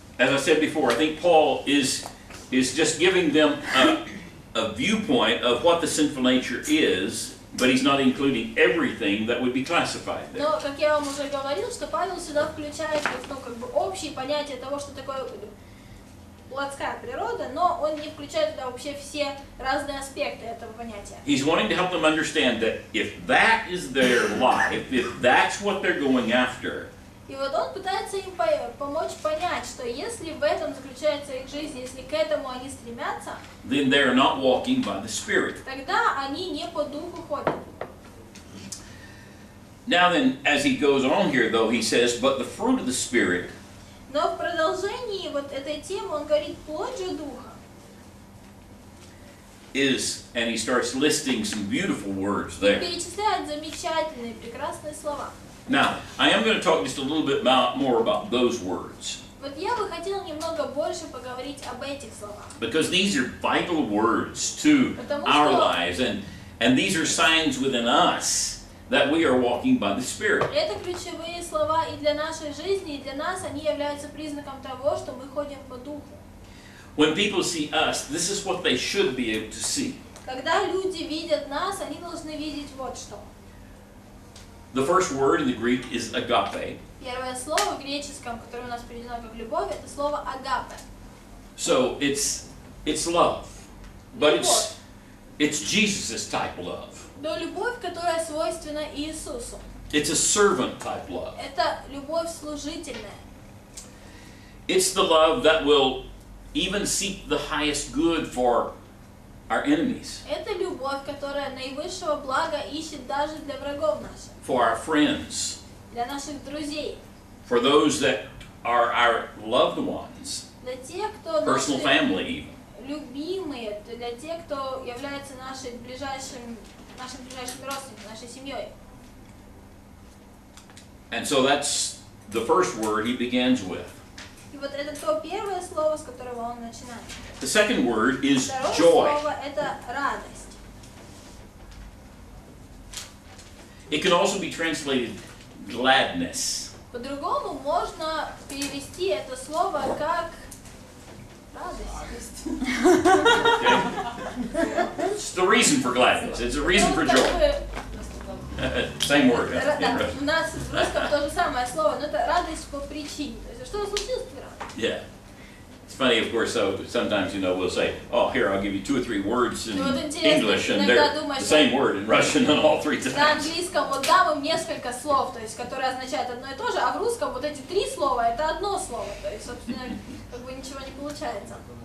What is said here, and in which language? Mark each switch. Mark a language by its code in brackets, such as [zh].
[en] As I said before, I think Paul is just giving them a viewpoint of what the sinful nature is. But he's not including everything that would be classified there. [ru] Но как я вам уже говорил, что Павел сюда включает общие понятия того, что такое плотская природа, но он не включает туда вообще все разные аспекты этого понятия. [en] He's wanting to help them understand that if that is their life, if that's what they're going after. [ru] И вот он пытается им помочь понять, что если в этом заключается их жизнь, если к этому они стремятся, [en] then they are not walking by the Spirit. [ru] Тогда они не по духу ходят. [en] Now then, as he goes on here, though, he says, but the fruit of the Spirit. [ru] Но в продолжении вот этой темы он говорит, плоть же духа. [en] Is, and he starts listing some beautiful words there. [ru] Перечисляет замечательные, прекрасные слова. [en] Now, I am going to talk just a little bit more about those words. [ru] Вот я бы хотел немного больше поговорить об этих словах. [en] Because these are vital words to our lives, and these are signs within us that we are walking by the Spirit. [ru] Это ключевые слова и для нашей жизни, и для нас они являются признаком того, что мы ходим по духу. [en] When people see us, this is what they should be able to see. [ru] Когда люди видят нас, они должны видеть вот что. [en] The first word in the Greek is agape. [ru] Первое слово в греческом, которое у нас переведено как любовь, это слово агапе. [en] So it's love, but it's Jesus's type love. [ru] Но любовь, которая свойственна Иисусу. [en] It's a servant type love. [ru] Это любовь служительная. [en] It's the love that will even seek the highest good for our enemies. [ru] Это любовь, которая наивысшего блага ищет даже для врагов наших. [en] For our friends. [ru] Для наших друзей. [en] For those that are our loved ones. [ru] Для тех, кто [en] personal family even. [ru] Любимые, для тех, кто является нашим ближайшим родственником, нашей семьей. [en] And so that's the first word he begins with. [ru] И вот это то первое слово, с которого он начинает. [en] The second word is joy. [ru] Второе слово это радость. [en] It can also be translated gladness. [ru] По-другому можно перевести это слово как радость. It's the reason for gladness. It's a reason for joy. Same word. У нас в русском то же самое слово, но это радость по причине. То есть, что случилось, ты рад? [en] Yeah. It's funny, of course, so sometimes, you know, we'll say, oh, here, I'll give you two or three words in English, and they're the same word in Russian and all three times. [ru] На английском вот дам им несколько слов, то есть, которые означают одно и то же, а в русском вот эти три слова, это одно слово, то есть, собственно, как бы ничего не получается.